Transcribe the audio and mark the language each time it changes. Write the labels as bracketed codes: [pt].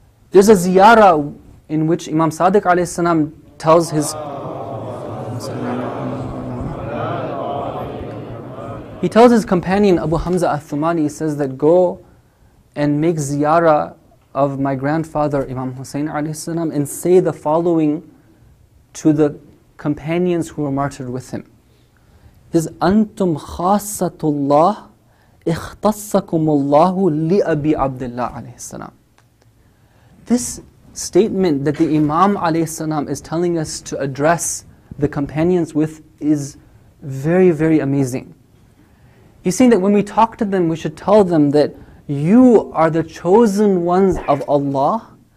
[en] There's a ziyara in which Imam Sadiq alayhi salam tells his He tells his companion Abu Hamza al-Thumani, he says that go and make ziyara of my grandfather Imam Hussein alayhi salam and say the following to the companions who were martyred with him. He says, [ar] أَنْتُمْ خَاسَّةُ اللَّهِ اِخْتَصَّكُمُ اللَّهُ لِأَبِي عَبْدِ اللَّهِ عَلَيْهِ السَّلَامِ. [en] This statement that the Imam alayhi salam is telling us to address the companions with is very, very amazing. He's saying that when we talk to them, we should tell them that you are the chosen ones of Allah.